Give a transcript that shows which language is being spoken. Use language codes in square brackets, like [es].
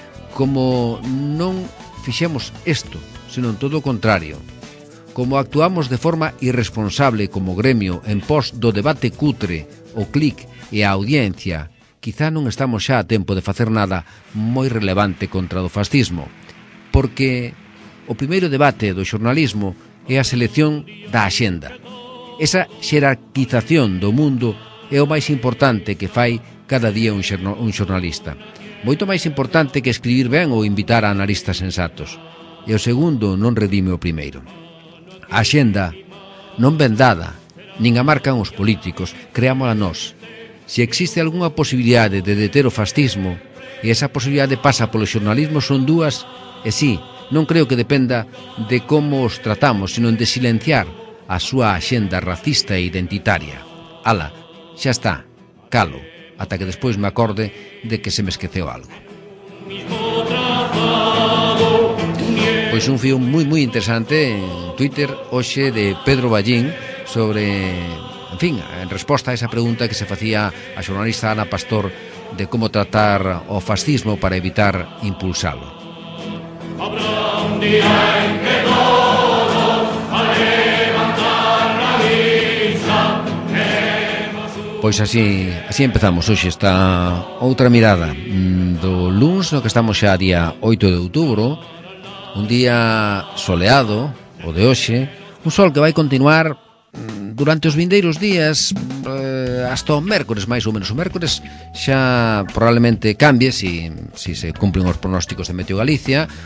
[gl] Como non fixemos isto, senón todo o contrario, como actuamos de forma irresponsable como gremio en pos do debate cutre, o clic e a audiencia, quizá non estamos xa a tempo de facer nada moi relevante contra o fascismo, porque o primeiro debate do xornalismo é a selección da axenda. Esa xerarquización do mundo é o máis importante que fai cada día un xornalista. Moito máis importante que escribir ben ou invitar a analistas sensatos. E o segundo non redime o primeiro. A axenda non ven dada, nin a marcan os políticos, creámola nós. Se existe algunha posibilidade de deter o fascismo, e esa posibilidade pasa polo xornalismo, son dúas, e sí, non creo que dependa de como os tratamos, sino de silenciar a súa axenda racista e identitaria. Ala, xa está, calo, ata que despois me acorde de que se me esqueceu algo. pois un fío moi moi interesante en Twitter hoxe de Pedro Ballín sobre, en fin, en resposta a esa pregunta que se facía a xornalista Ana Pastor de como tratar o fascismo para evitar impulsalo. [es] Habrá un día en que todos a levantar la vista. [gl] Pois así, así empezamos hoxe esta outra mirada do luns, no que estamos xa a día 8 de outubro, un día soleado, o de hoxe, un sol que vai continuar durante os vindeiros días hasta o mércores, máis ou menos. O mércores xa probablemente cambie [es] si se cumplen [gl] os pronósticos de Meteo Galicia.